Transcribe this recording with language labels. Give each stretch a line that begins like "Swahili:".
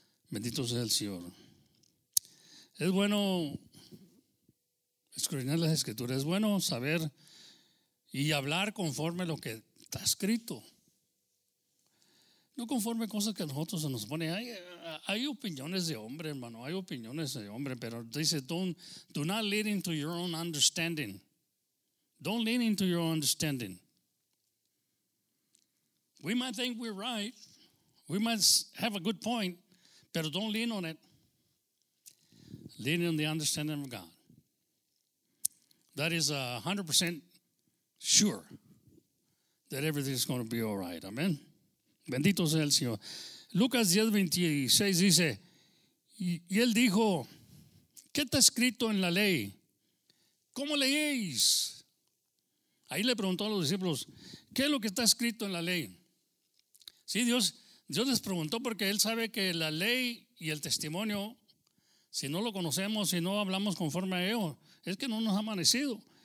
Spanish: Bendito sea el Señor. Es bueno escudriñar las Escrituras. Es bueno saber y hablar conforme lo que está escrito. No conforme cosas que nosotros se nos pone. Hay opiniones de hombre, hermano. Hay opiniones de hombre. Pero dice,
English: do not lean into your own understanding. Don't lean into your understanding. We might think we're right. We might have a good point. Pero don't lean on it. Lean on the understanding of God. That is 100% sure that everything is going to be all right.
Spanish: Amen. Bendito sea el Señor. Lucas 10, 26 dice, y él dijo, ¿qué está escrito en la ley? ¿Cómo leéis? Ahí le preguntó a los discípulos, ¿qué es lo que está escrito en la ley? Sí, Dios les preguntó porque él sabe que la ley y el testimonio, si no lo conocemos, si no hablamos conforme a ello, es que no nos ha amanecido.